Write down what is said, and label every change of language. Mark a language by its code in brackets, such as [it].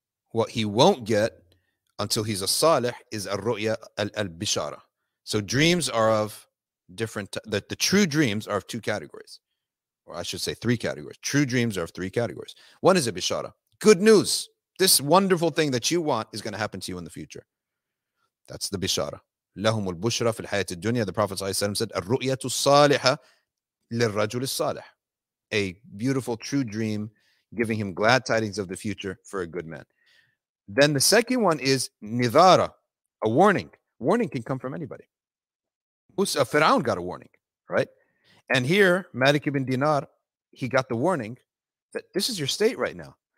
[en] What he won't get until he's a salih is a ru'ya al-bishara. So dreams are of different, the true dreams are of two categories, or I should say three categories. True dreams are of three categories. One is a bishara, good news. This wonderful thing that you want is going to happen to you in the future. That's the bishara. [ar] لَهُمُ الْبُشْرَ فِي الْحَيَةِ الدُّنْيَا. [en] The Prophet ﷺ said, [ar] الرُّؤْيَةُ الصَّالِحَةُ للرجل الصالح, [en] a beautiful true dream, giving him glad tidings of the future for a good man. Then the second one is nidara, a warning. Warning can come from anybody. Musa, Fir'aun got a warning, right? And here, Malik ibn Dinar, he got the warning that this is your state right now.